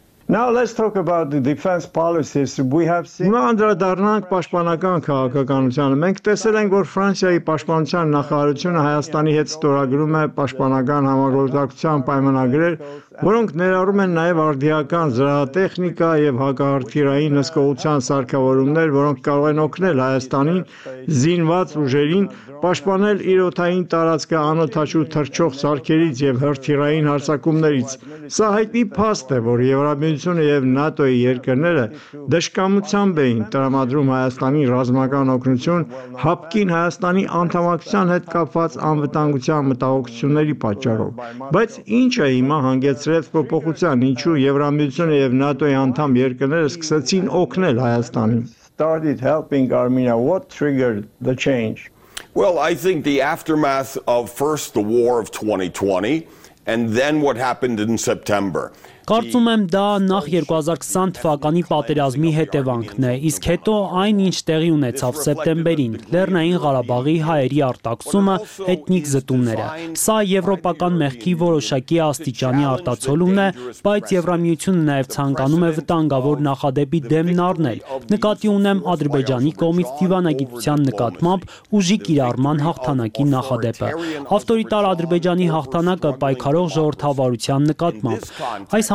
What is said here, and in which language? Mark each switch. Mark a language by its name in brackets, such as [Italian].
[English] Now let's talk about the defense policies we have seen. [Armenian] Նա անդրադառնանք պաշտպանական քաղաքականությանը։ Մենք տեսել ենք, որ Ֆրանսիայի պաշտպանության նախարարությունը Հայաստանի հետ ստորագրում է պաշտպանական համագործակցության պայմանագրեր, որոնք ներառում են նաև արդիական զրահատեխնիկա և հակաարտիլերային հսկողության սարքավորումներ, որոնք կարող են օգնել Հայաստանին զինված ուժերին պաշտպանել իր օթային տարածքը անօթաչու թռչող սարքերից և հրթիռային հարձակումներից։ Սա հայտնի փաստ է, որ Եվրամիությունը և ՆԱՏՕ-ի երկրները դժկամությամբ էին տրամադրում Հայաստանի ռազմական օգնություն հապկին Հայաստանի անդամակցության հետ կապված անվտանգության մտահոգությունների պատճառով։ Բայց ինչ է հիմա հանգեցրել փոփոխության, ինչու Եվրամիությունը և ՆԱՏՕ-ի անդամ երկրները սկսեցին օգնել Հայաստանին։ [English] Started helping Armenia. What triggered the change? Well, I think the aftermath of first the war of 2020 and then what happened in September. [Armenian] Կարծում եմ, դա նախ 2020 թվականի պատերազմի հետևանքն է, իսկ հետո այն, ինչ տեղի ունեցավ սեպտեմբերին, Լեռնային Ղարաբաղի հայերի արտաքսումը, էթնիկ զտումները։ Սա եվրոպական մեղքի որոշակի աստիճանի արտացոլումն է, բայց Եվրամիությունը նաև ցանկանում է վտանգավոր նախադեպի դեմն առնել։ Նկատի ունեմ Ադրբեջանի կողմից դիվանագիտության նկատմամբ ուժի կիրառման հաղթանակի նախադեպը, ավտորիտար Ադրբեջանի հաղթանակը պայքարող ժողովրդավարության նկատմամբ։ Այս